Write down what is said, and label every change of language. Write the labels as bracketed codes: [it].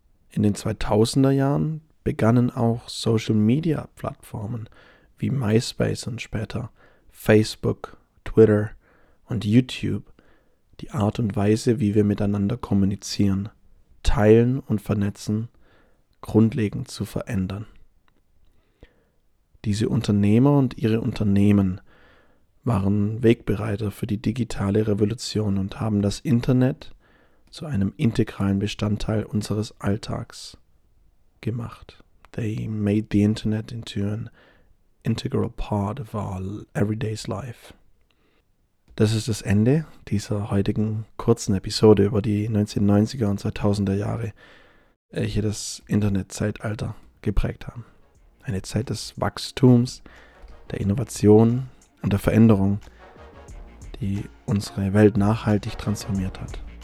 [de] In den 2000er Jahren begannen auch Social-Media-Plattformen wie MySpace und später Facebook, Twitter und YouTube die Art und Weise, wie wir miteinander kommunizieren, teilen und vernetzen, grundlegend zu verändern. Diese Unternehmer und ihre Unternehmen waren Wegbereiter für die digitale Revolution und haben das Internet zu einem integralen Bestandteil unseres Alltags gemacht. [en] They made the Internet into an integral part of our everyday life. [de] Das ist das Ende dieser heutigen kurzen Episode über die 1990er und 2000er Jahre, welche das Internetzeitalter geprägt haben. Eine Zeit des Wachstums, der Innovation und der Veränderung, die unsere Welt nachhaltig transformiert hat.